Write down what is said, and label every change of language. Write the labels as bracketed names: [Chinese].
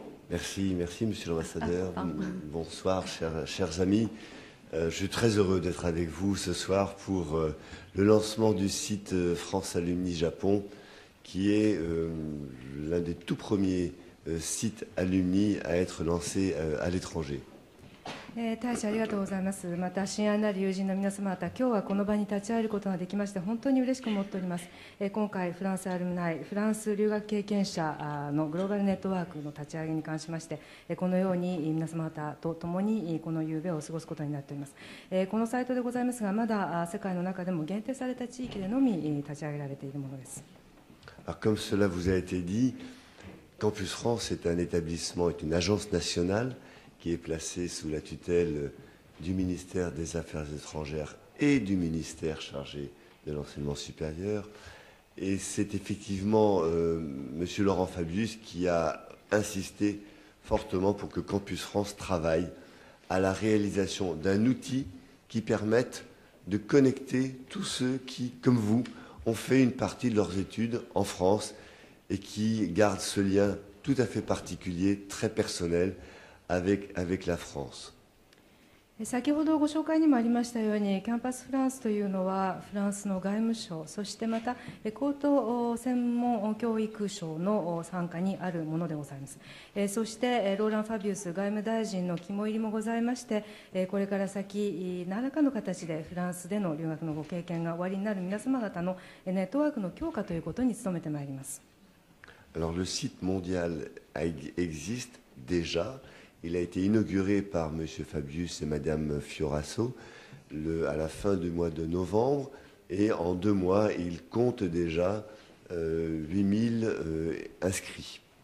[French] Merci, Monsieur l'Ambassadeur. Bonsoir, chers amis. Je suis très heureux d'être avec vous ce soir pour le lancement du site France Alumni Japon, qui est l'un des tout premiers site alumni à être lancé à l'étranger. [Japanese] 大使ありがとうございます。また新安なる友人の皆様方、今日はこの場に立ち会えることができまして本当に嬉しく思っております。今回フランスアルムナイ、フランス留学経験者のグローバルネットワークの立ち上げに関しまして、このように皆様方と共にこの夕べを過ごすことになっております。このサイトでございますが、まだ世界の中でも限定された地域でのみ立ち上げられているものです。 [French] Comme cela vous a été dit, Campus France est un établissement, est une agence nationale qui est placée sous la tutelle du ministère des Affaires étrangères et du ministère chargé de l'enseignement supérieur. Et c'est effectivement M. Laurent Fabius qui a insisté fortement pour que Campus France travaille à la réalisation d'un outil qui permette de connecter tous ceux qui, comme vous, ont fait une partie de leurs études en France et qui gardent ce lien tout à fait particulier, très personnel avec la France. [Japanese] 先ほどご紹介にもありましたように、キャンパスフランスというのはフランスの外務省、そしてまた高等専門教育省の傘下にあるものでございます。そしてローラン・ファビウス外務大臣の肝入りもございまして、これから先何らかの形でフランスでの留学のご経験がおありになる皆様方のネットワークの強化ということに努めてまいります。 [French] Alors, le site mondial existe déjà. Il a été inauguré par M. Fabius et Mme Fioraso à la fin du mois de novembre. Et en deux mois, il compte déjà 8 000 inscrits.